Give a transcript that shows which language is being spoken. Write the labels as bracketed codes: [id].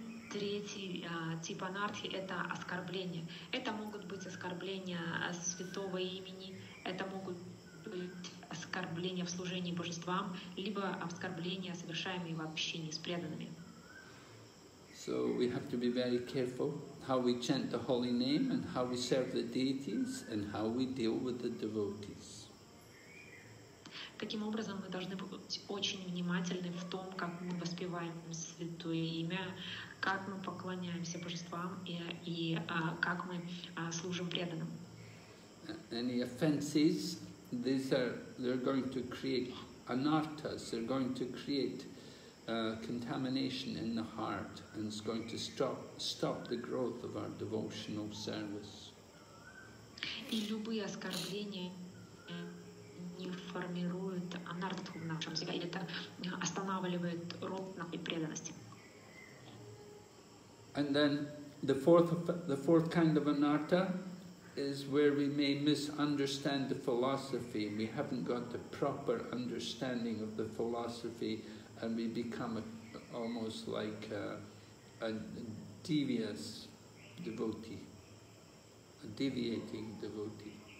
[ru] Третий тип анартхи – это оскорбления. Это могут быть оскорбления святого имени, это могут быть оскорбления в служении божествам, либо оскорбления, совершаемые в общении с преданными. [en] So we have to be very careful how we chant the holy name, and how we serve the deities, and how we deal with the devotees. [ru] Таким образом, мы должны быть очень внимательны в том, как мы воспеваем святое имя, как мы поклоняемся божествам и как мы служим преданным. [en] Any offenses, they're going to create anarthas, they're going to create contamination in the heart, and it's going to stop the growth of our devotional service. [ru] И любые оскорбления не формируют анартху в нашем себе, или это останавливает рост нашей преданности. [en] And then the fourth kind of anartha is where we may misunderstand the philosophy. We haven't got the proper understanding of the philosophy, and we become almost like a devious devotee, a deviating devotee.